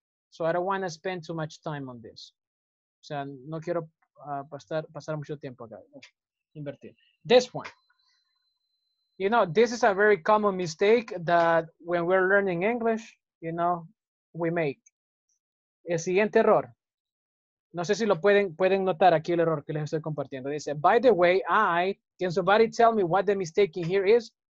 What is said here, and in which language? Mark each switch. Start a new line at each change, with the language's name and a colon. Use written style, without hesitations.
English: So I don't want to spend too much time on this.
Spanish: O sea, no quiero... pasar mucho tiempo acá. Invertir.
English: This one. This is a very common mistake that when we're learning English, we make.
Spanish: El siguiente error. No sé si lo pueden notar aquí el error que les estoy compartiendo.
English: Dice, by the way, can somebody tell me what the mistake in here is?